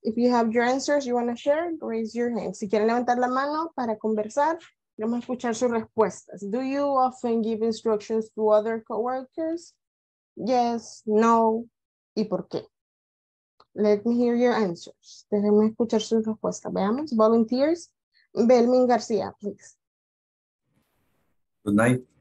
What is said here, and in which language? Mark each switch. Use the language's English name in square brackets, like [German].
[English] If you have your answers you want to share, raise your hand. [Spanish] Si quieren levantar la mano para conversar, vamos a escuchar sus respuestas. [English] Do you often give instructions to other coworkers? Yes, no, ¿y por qué? Let me hear your answers. [Spanish] Déjenme escuchar sus respuestas. Veamos, volunteers. Belmin García, please. [English] Good night.